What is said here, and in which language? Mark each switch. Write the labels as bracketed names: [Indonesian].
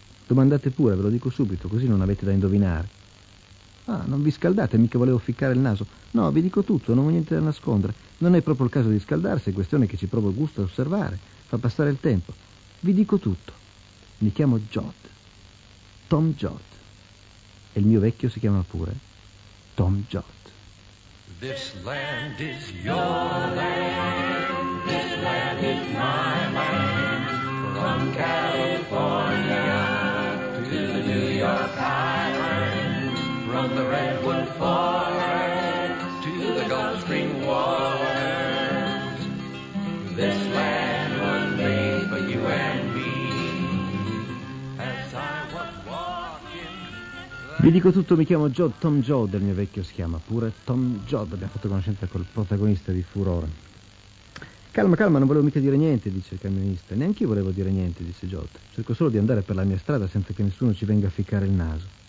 [Italian] Domandate pure, ve lo dico subito, così non avete da indovinare.» «Ah, non vi scaldate, mica volevo ficcare il naso.» «No, vi dico tutto, non ho niente da nascondere. Non è proprio il caso di scaldarsi, è questione che ci provo gusto a osservare. Fa passare il tempo. Vi dico tutto. Mi chiamo Jot. Tom Jot. E il mio vecchio si chiama pure Tom Jot.» [English] This land is your land. This land is my land. From California. your cavern, from the redwood forest to the Gulf Stream waters. This land was made for you and me. As I was walking. [Italian] Vi dico tutto, mi chiamo Joe, Tom Joe del mio vecchio schiama, pure Tom Joe abbiamo fatto conoscenza col protagonista di Furore. Calma, calma, non volevo mica dire niente, dice il camionista. Neanche io volevo dire niente, disse Jot. Cerco solo di andare per la mia strada senza che nessuno ci venga a ficcare il naso.